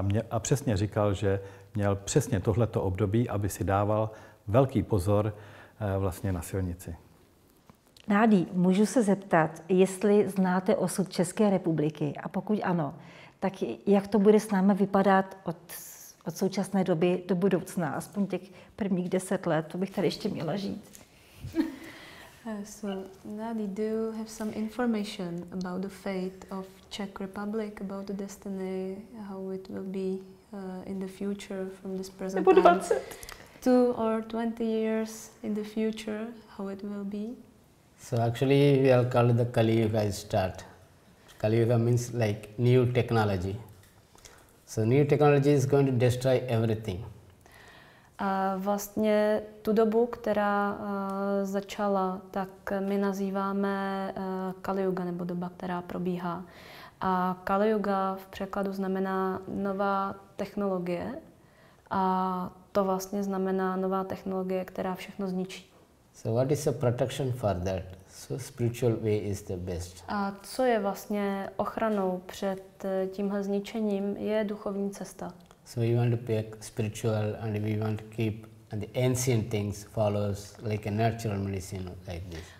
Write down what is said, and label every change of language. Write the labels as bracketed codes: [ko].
[cs] A přesně říkal, že měl přesně tohleto období, aby si dával velký pozor vlastně na silnici. Nádí, můžu se zeptat, jestli znáte osud České republiky? A pokud ano, tak jak to bude s námi vypadat od současné doby do budoucna, aspoň těch prvních 10 let, to bych tady ještě měla žít. [en] So, Nadi, do you have some information about the fate of Czech Republic, about the destiny, how it will be in the future from this present [cs] time? Nebo 20. [en] 2 or 20 years in the future, how it will be? So actually, we are called the Kali Yuga start. Kali Yuga means like new technology. So new technology is going to destroy everything. [cs] Vlastně tu dobu, která začala, tak my nazýváme Kali Yuga, nebo doba, která probíhá. A Kali Yuga v překladu znamená nová technologie. A to vlastně znamená nová technologie, která všechno zničí. [en] So what is the protection for that? So spiritual way is the best. [cs] A co je vlastně ochranou před tímhle zničením, je duchovní cesta. [en] So we want to be spiritual and we want to keep the ancient things follows like a natural medicine like this.